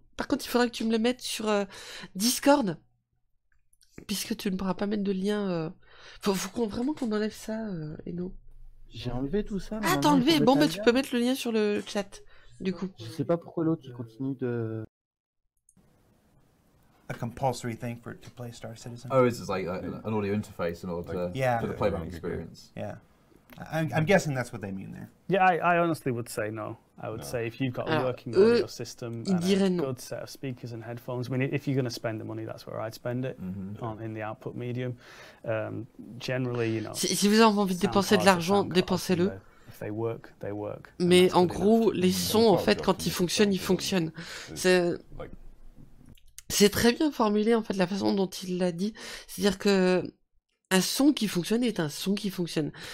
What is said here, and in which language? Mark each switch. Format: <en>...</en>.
<fr>Par contre, il faudra que tu me le mettes sur Discord, puisque tu ne pourras pas mettre de lien. Faut vraiment qu'on enlève ça, Eno. J'ai enlevé tout ça. Ah, t'as enlevé. Bon, bah, tu peux mettre le lien sur le chat, du coup. Je sais pas pourquoi l'autre continue de...</fr> <en>A compulsory thing for to play Star Citizen. Oh, it's like an audio interface in order for the playback experience. Yeah, I'm guessing that's what they mean there. Yeah, I honestly would say no. I would say if you've got a working audio system and a good set of speakers and headphones, I mean, if you're going to spend the money, that's where I'd spend it, in the output medium. Generally, you know.</en> <fr>Si vous avez envie de dépenser de l'argent, dépensez-le.</fr> <en>They work, they work.</en> <fr>Mais en gros, les sons, en fait, quand ils fonctionnent, ils fonctionnent. C'est C'est très bien formulé, en fait, la façon dont il l'a dit. C'est-à-dire que un son qui fonctionne est un son qui fonctionne.</fr>